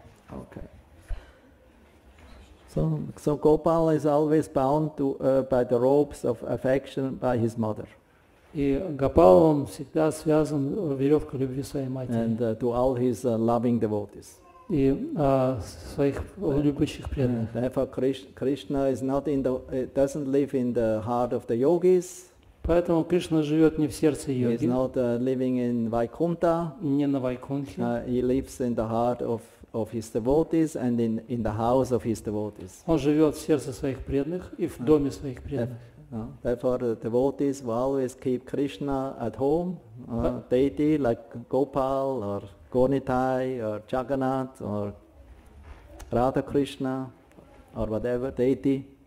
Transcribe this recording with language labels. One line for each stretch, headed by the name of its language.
English: Okay. So Гопал is always bound to by the ropes of affection by his mother.
Russian: И Гопал, он всегда связан веревкой любви своей матери.
English: And to all his loving devotees.
Russian: И своих любящих преданных.
English: Therefore, Krishna is not in the, doesn't live in the heart of the yogis.
Russian: Поэтому Кришна живет не в сердце йоги.
English: He is not living in Vaikuntha.
Russian: Не на Вайкунте.
English: He lives in the heart of his devotees and in the house of his devotees.
Russian: Он живет в сердце своих преданных и в доме своих преданных.
English: Therefore, the devotees will always keep Krishna at home, deity like Gopal or Gornitai or Jagannath or Radha Krishna or whatever deity.